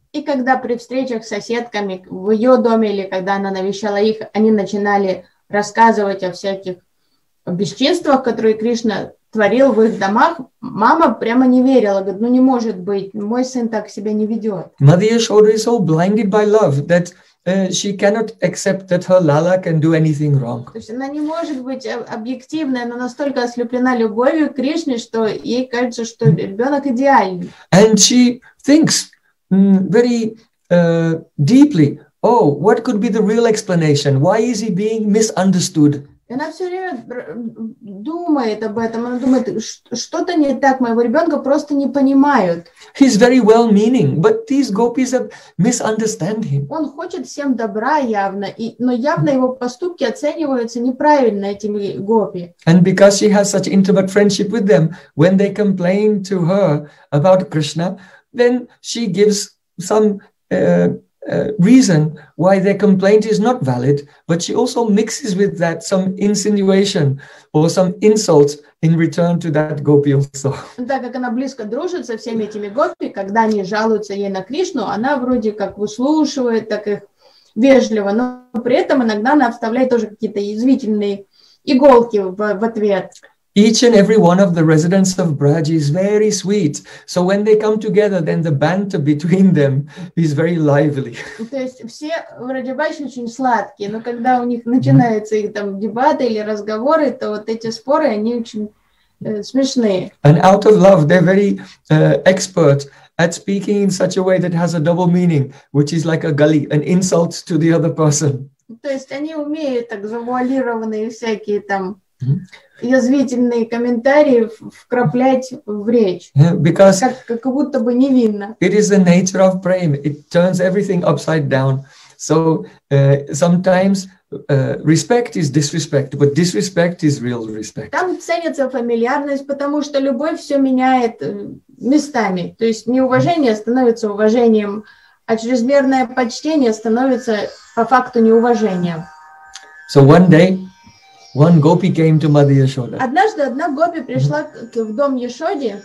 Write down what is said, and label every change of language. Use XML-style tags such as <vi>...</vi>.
<ru>И когда при встречах с соседками в ее доме или когда она навещала их, они начинали рассказывать о всяких бесчинствах, которые Кришна творил в их домах, мама прямо не верила, говорит, ну не может быть, мой сын так себя не ведет.</ru> <en>Mother Yashoda is so blinded by love that she cannot accept that her Lala can do anything wrong.</en> <ru>То есть она не может быть объективной, она настолько ослеплена любовью к Кришне, что ей кажется, что ребенок идеальный.</ru> <en>And she thinks very deeply, oh, what could be the real explanation? Why is he being misunderstood?</en> <ru>Она все время думает об этом. Она думает, что-то не так, моего ребенка просто не понимают.</ru> <en>He's very well-meaning, but these gopis misunderstand him.</en> <ru>Он хочет всем добра явно, но явно его поступки оцениваются неправильно этими гопи.</ru> <en>And because she has such intimate friendship with them, when they complain to her about Krishna, then she gives some reason why their complaint is not valid, but she also mixes with that some insinuation or some insult in return to that gopi also.</en> <ru>Так как она близко дружит со всеми этими гопи, когда они жалуются ей на Кришну, она вроде как выслушивает так их вежливо, но при этом иногда она вставляет тоже какие-то язвительные иголки в ответ.</ru> <en>Each and every one of the residents of Braj is very sweet. So when they come together, then the banter between them is very lively.</en> <ru>То есть все в Раджабаше очень сладкие, но когда у них начинаются их там дебаты или разговоры, то вот эти споры, они очень смешные.</ru> <en>And out of love, they're very expert at speaking in such a way that has a double meaning, which is like a gali, an insult to the other person.</en> <ru>То есть они умеют так завуалированные всякие там язвительные комментарии вкраплять в речь.</ru> <en>Because</en> <ru>как будто бы невинно.</ru> <en>It is the nature of prema. It turns everything upside down. So sometimes respect is disrespect, but disrespect is real respect.</en> <ru>Там ценится фамильярность, потому что любовь все меняет местами. То есть неуважение становится уважением, а чрезмерное почтение становится по факту неуважением.</ru> <en>So one day, one gopi came to Mother Yashoda.</en> <ru>Однажды одна гопи пришла в дом Яшоди.</ru>